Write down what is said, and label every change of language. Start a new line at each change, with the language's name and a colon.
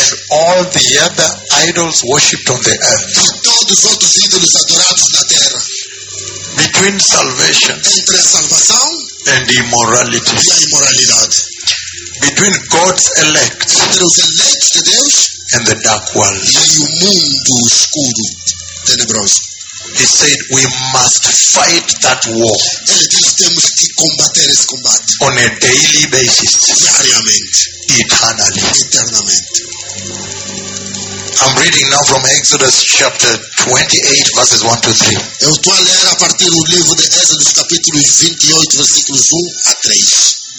English: and all the other idols worshipped on the earth,
Portuguese: e todos os outros ídolos adorados na terra.
English: Between salvation
Portuguese: entre a salvação
English: and immorality.
Portuguese: E a imoralidade.
English: Between God's elect
Portuguese: entre os eleitos de Deus
English: and the dark world.
Portuguese: E o mundo escuro, tenebroso.
English: He said we must fight that war.
Portuguese: Ele diz, temos que combater esse combate.
English: On a daily basis.
Portuguese: Diariamente.
English: Eternally.
Portuguese: Eternamente.
English: I'm reading now from Exodus chapter 28, verses 1 to 3.
Portuguese: Eu estou a ler a partir do livro de Êxodo, capítulo 28, versículos 1 a 3.